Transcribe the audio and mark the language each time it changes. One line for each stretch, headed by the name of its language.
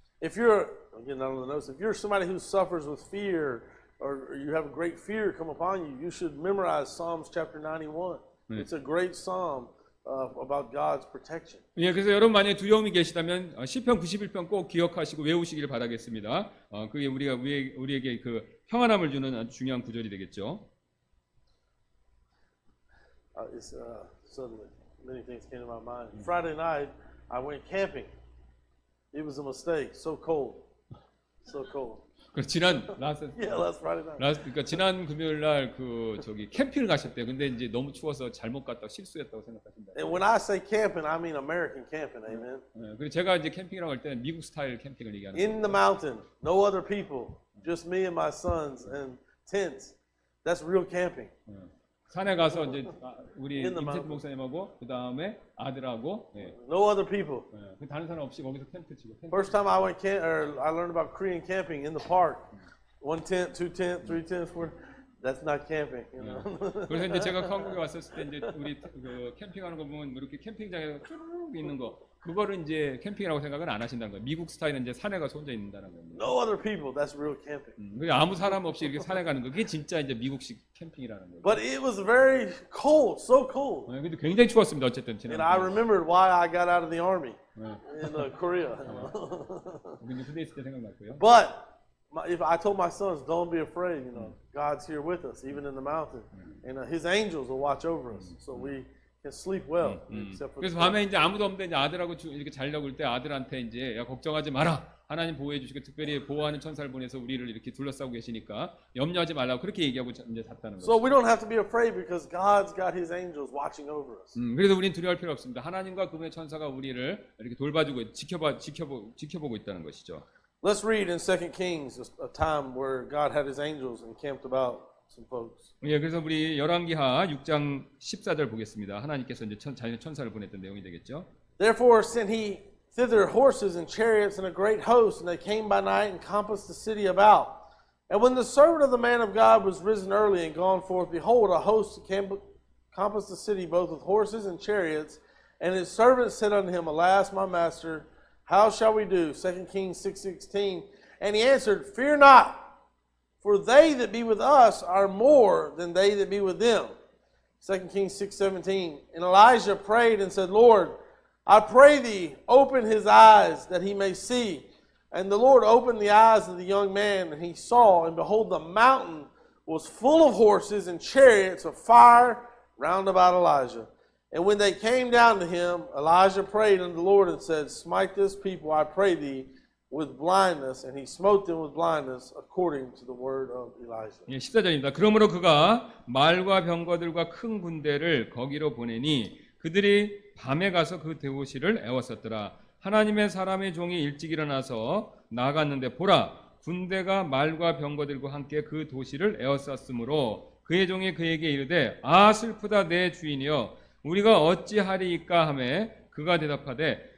English: If you're again on the notes, if you're somebody who suffers with fear or you have a great fear come upon you, you should memorize Psalms chapter 91. It's a great psalm. About God's protection.
Korean: 예, 그래서 여러분 만약에 두려움이 계시다면 시편 91편 꼭 기억하시고 외우시기를 바라겠습니다. 그게 우리에게 그 평안함을 주는 아주 중요한 구절이 되겠죠.
English: Suddenly many things came to my mind. Friday night I went camping. It was a mistake. So cold.
Korean: 그래서 지난
English: last Friday night.
Korean: 그러니까 지난 금요일 날 그 저기 캠핑을 가셨대요. 근데 이제 너무 추워서 잘못 갔다 실수했다고 생각하신다.
English: And when I say camping, I mean American camping. Amen.
Korean: 그리고 제가 이제 캠핑이라고 할 때는 미국 스타일 캠핑을 얘기하는 거예요.
English: In the mountain, no other people, just me and my sons and tents. That's real camping.
Korean: 산에 가서 이제 우리 임태 목사님하고 그다음에 아들하고 예.
English: No other people.
Korean: 예. 다른 사람 없이 거기서 텐트 치고.
English: First time I went camp or I learned about Korean camping in the park. One tent, two tent, three tents, four. That's not camping, you know.
Korean: 그래서 이제 제가 한국에 왔었을 때 이제 우리 그 캠핑하는 거 보면 이렇게 캠핑장에서 쭉 있는 거 그거를 이제 캠핑이라고 생각은 안 하신다는 거예요. 미국 스타일은 이제 산에 가서 혼자 있는다는 거예요.
English: No other people. That's real camping.
Korean: 그게 아무 사람 없이 이렇게 산에 가는 거. 그게 진짜 이제 미국식 캠핑이라는 거예요.
English: But it was very cold. So cold.
Korean: 네, 근데 굉장히 추웠습니다. 어쨌든 지난.
English: And I remembered why I got out of the army in Korea.
Korean: 근데 군대 있을 때 생각났고요.
English: But if I told my sons, don't be afraid. You know, God's here with us, even in the mountain, and His angels will watch over us. So we. Can sleep well.
Korean: 그래서 밤에 이제 아무도 없는데 이제 아들하고 이렇게 자려고 할 때 아들한테 이제 야 걱정하지 마라 하나님 보호해 주시고 특별히 보호하는 천사를 보내서 우리를 이렇게 둘러싸고 계시니까 염려하지 말라고 그렇게 얘기하고 이제 잤다는 거죠.
English: So we don't have to be afraid because God's got His angels watching over us.
Korean: 그래서 우리는 두려워할 필요 없습니다. 하나님과 그분의 천사가 우리를 이렇게 돌봐주고 지켜보고 있다는 것이죠.
English: Let's read in 2 Kings a time where God had His angels encamped about.
Korean: 예, 그래서 우리 열왕기하 6장 14절 보겠습니다. 하나님께서 이제 자신의 천사를 보냈던 내용이 되겠죠.
English: Therefore sent he thither horses and chariots and a great host, and they came by night and compassed the city about. And when the servant of the man of God was risen early and gone forth, behold, a host compassed the city both with horses and chariots. And his servant said unto him, Alas, my master, how shall we do? 2 Kings 6:16. And he answered, Fear not, for they that be with us are more than they that be with them. 2 Kings 6:17. And Elijah prayed and said, Lord, I pray thee, open his eyes that he may see. And the Lord opened the eyes of the young man, and he saw, and behold, the mountain was full of horses and chariots of fire round about Elijah. And when they came down to him, Elijah prayed unto the Lord and said, Smite this people, I pray thee, with blindness. And he smote them with blindness according to the word of Elijah.
Korean: 예, 14절입니다. 그러므로 그가 말과 병거들과 큰 군대를 거기로 보내니 그들이 밤에 가서 그 대호시를 애웠었더라. 하나님의 사람의 종이 일찍 일어나서 나갔는데 보라, 군대가 말과 병거들과 함께 그 도시를 애웠었으므로 그의 종이 그에게 이르되 아 슬프다 내 주인이여 우리가 어찌하리이까 하매 그가 대답하되